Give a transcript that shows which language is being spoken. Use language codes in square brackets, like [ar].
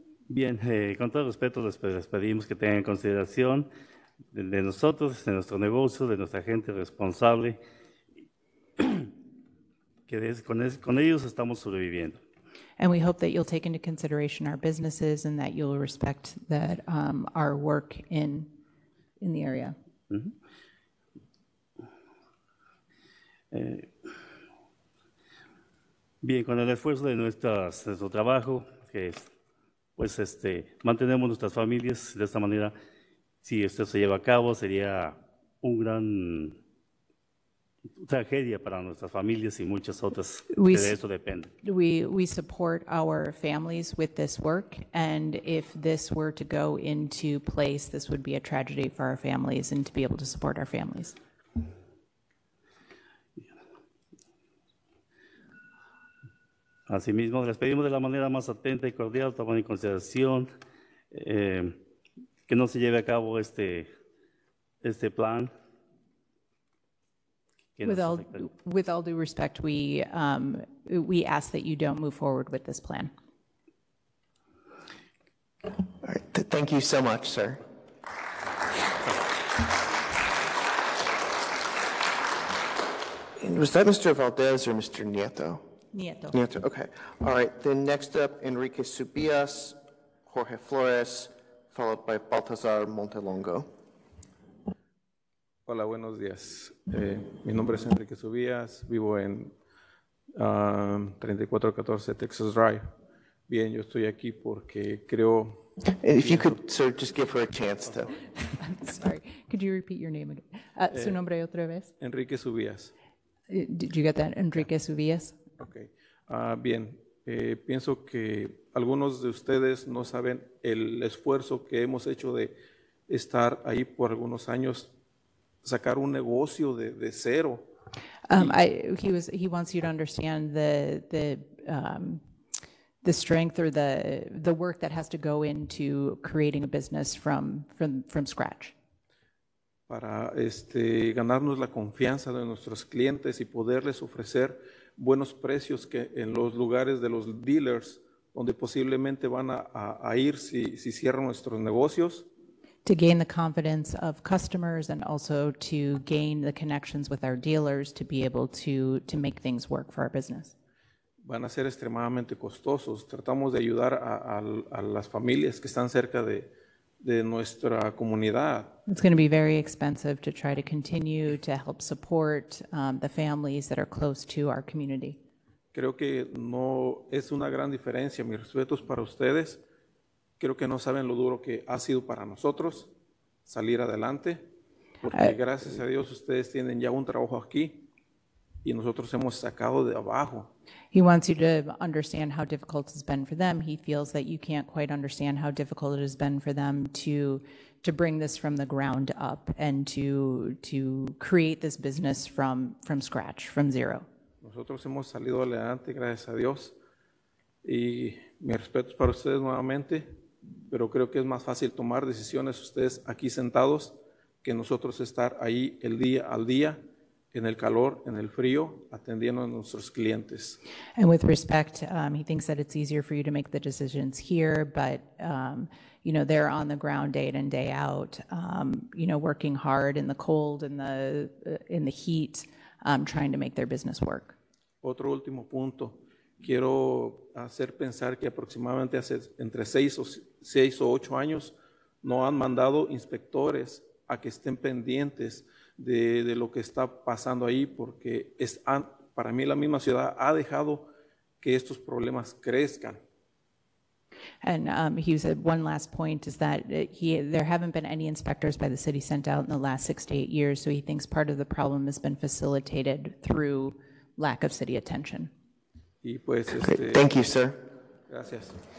[es] Bien, con todo respeto, les pedimos que tengan consideración de nosotros, de nuestro negocio, de nuestra gente responsable, que con ellos estamos sobreviviendo. [en] And we hope that you'll take into consideration our businesses and that you'll respect that our work in the area. [es] Bien, con el esfuerzo de nuestro trabajo, que es, pues mantenemos nuestras familias de esta manera. Si esto se lleva a cabo, sería un gran tragedia para nuestras familias y muchas otras. De eso depende. [en] We support our families with this work, and if this were to go into place, this would be a tragedy for our families and to be able to support our families. [es] Asimismo, les pedimos de la manera más atenta y cordial tomar en consideración que no se lleve a cabo este plan. [en] With all due respect, we ask that you don't move forward with this plan. All right. Thank you so much, sir. Was that Mr. Valdez or Mr. Nieto? Nieto. Nieto, okay. All right, then next up, Enrique Subias, Jorge Flores, followed by Baltazar Montelongo. [es] Hola, buenos dias. Mi nombre es Enrique Subias, vivo en 3414 Texas Drive. Bien, yo estoy aquí porque creo... [en] And if you could, sir, just give her a chance to... Sorry, could you repeat your name again? [es] Su nombre otra vez? Enrique Subias. [en] Did you get that? Enrique Subias? Okay. [es] Bien, pienso que algunos de ustedes no saben el esfuerzo que hemos hecho de estar ahí por algunos años, sacar un negocio de cero. [en] He wants you to understand the strength or the work that has to go into creating a business from scratch. [es] Para ganarnos la confianza de nuestros clientes y poderles ofrecer buenos precios que en los lugares de los dealers donde posiblemente van a ir si cierran nuestros negocios. [en] To gain the confidence of customers and also to gain the connections with our dealers to be able to make things work for our business. [es] Van a ser extremadamente costosos. Tratamos de ayudar a las familias que están cerca de nuestra comunidad. [en] It's going to be very expensive to try to continue to help support the families that are close to our community. [es] Creo que no es una gran diferencia. Mis respetos para ustedes. Creo que no saben lo duro que ha sido para nosotros salir adelante, porque gracias a Dios ustedes tienen ya un trabajo aquí y nosotros hemos sacado de abajo. [en] He wants you to understand how difficult it's been for them. He feels that you can't quite understand how difficult it has been for them to bring this from the ground up and to create this business from scratch, from zero. [es] Nosotros hemos salido adelante, gracias a Dios, y mis respetos para ustedes nuevamente, pero creo que es más fácil tomar decisiones ustedes aquí sentados que nosotros estar ahí el día al día, en el calor, en el frío, atendiendo a nuestros clientes. [en] And with respect, he thinks that it's easier for you to make the decisions here, but, you know, they're on the ground day in and day out, you know, working hard in the cold, in the heat, trying to make their business work. [es] Otro último punto. Quiero hacer pensar que aproximadamente hace entre seis o ocho años no han mandado inspectores a que estén pendientes de lo que está pasando ahí porque para mí la misma ciudad ha dejado que estos problemas crezcan. [en] And he said one last point is that there haven't been any inspectors by the city sent out in the last 6 to 8 years, so he thinks part of the problem has been facilitated through lack of city attention. [es] Y pues, [en] thank you, sir. [es] Gracias.